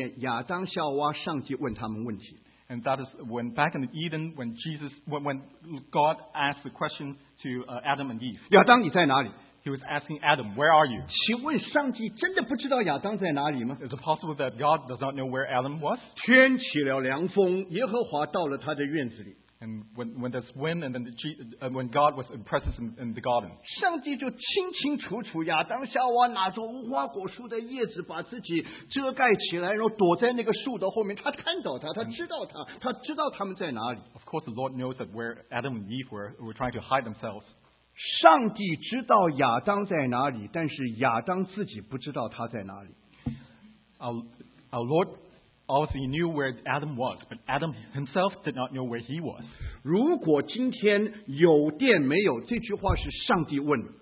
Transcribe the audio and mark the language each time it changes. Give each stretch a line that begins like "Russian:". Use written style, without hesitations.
Chinese: 就是在伊甸园里面，亚当夏娃上帝问他们问题。
English: And that is when back in Eden, when God asked the question to Adam and Eve.
Chinese: 亚当，你在哪里?
English: He was asking Adam, where are you?
Chinese: 请问上帝真的不知道亚当在哪里吗?
English: Is it possible that God does not know where Adam was?
Chinese: 天起了凉风, 耶和华到了他的院子里。
English: And when there's wind, and then when God was in presence in the garden,
Chinese: 上帝就清清楚楚, 亚当夏娃拿着无花果树的叶子把自己遮盖起来, 然后躲在那个树的后面, 他看到他, 他知道他, 他知道他们在哪里。
English: Of course, the Lord knows that where Adam and Eve were trying to hide themselves.
Chinese: 上帝知道亚当在哪里, 但是亚当自己不知道他在哪里。
English: Our Lord obviously knew where Adam was, but Adam himself did not know where he was.
Chinese: 如果今天有电没有, 这句话是上帝问。